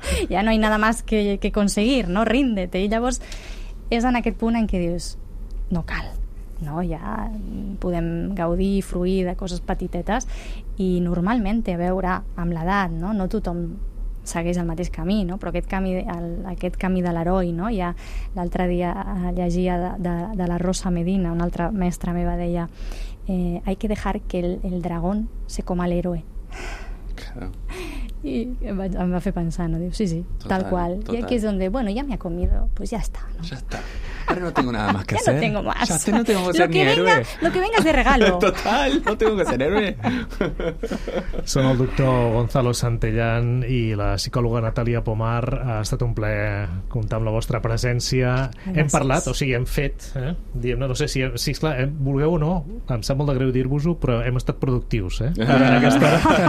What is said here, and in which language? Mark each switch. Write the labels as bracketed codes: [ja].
[es] Ya no hay nada más que conseguir, no? Ríndete. [ca] I llavors és en aquest punt en què dius, no cal. No, ja podem gaudir i fruir de coses petitetes i normalment té a veure amb l'edat, no? No tothom segueix el mateix camí, no? Però aquest camí de l'heroi, no? Ja l'altre dia llegia de la Rosa Medina, una altra mestra meva, deia [es] hay que dejar que el dragón se coma al héroe. Claro. Y me va a hacer pensar, ¿no? Digo, sí, total, tal cual. Total. Y aquí es donde, bueno, ya me ha comido, pues ya está, ¿no? Ya está. Ahora no tengo nada más que hacer. Ya no tengo más. Ya no tengo que ser mi héroe. Lo que venga es de regalo. Total, no tengo que ser héroe. [ca] Son el doctor Gonzalo Santellán i la psicòloga Natàlia Pomar. Ha estat un plaer comptar amb la vostra presència. Gràcies. Hem parlat, o sigui, hem fet. Diguem-ne, no sé si, si esclar, vulgueu o no, em sap molt de greu dir-vos-ho, però hem estat productius, en aquesta hora.